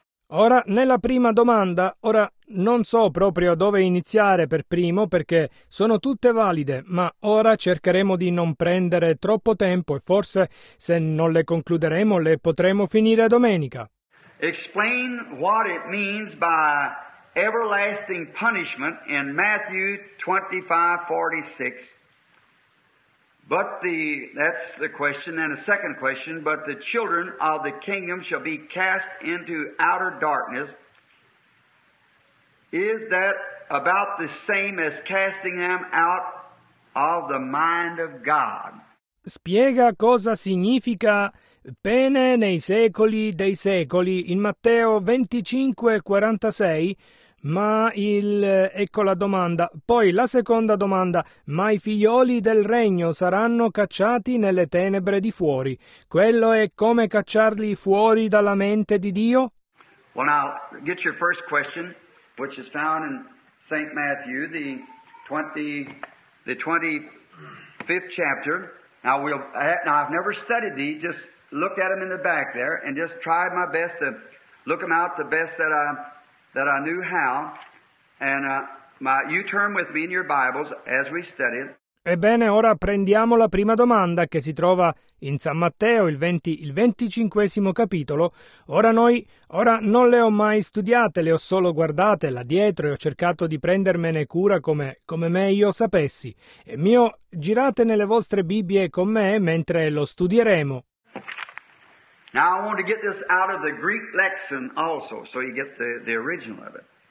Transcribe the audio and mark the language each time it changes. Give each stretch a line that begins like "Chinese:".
Italian: Ora, nella prima domanda, ora non so proprio dove iniziare per primo perché sono tutte valide, ma ora cercheremo di non prendere troppo tempo e forse se non le concluderemo le potremo finire domenica.
English: Explain what it means by everlasting punishment in Matthew 25:46. But that's the question, and a second question, but the children of the kingdom shall be cast into outer darkness. Is that about the same as casting them out of the mind of God?
Italian: Spiega cosa significa pene nei secoli dei secoli in Matteo 25:46. Ma ecco la domanda. Poi la seconda domanda. Ma i figlioli del regno saranno cacciati nelle tenebre di fuori. Quello è come cacciarli fuori dalla mente di Dio?
English: Well, now, get your first question, which is found in St. Matthew, the 25th chapter. I've never studied these. Just looked at them in the back there and just tried my best to look them out the best that I... that I knew how, and you turn with me in your Bibles as we study it.
Italian: Ebbene, ora prendiamo la prima domanda che si trova in San Matteo, il 25esimo capitolo. Ora non le ho mai studiate, le ho solo guardate là dietro e ho cercato di prendermene cura come meglio sapessi. E mio, girate nelle vostre Bibbie con me mentre lo studieremo.
English: Now I want to get this out of the Greek lexicon also, so you get the original of it.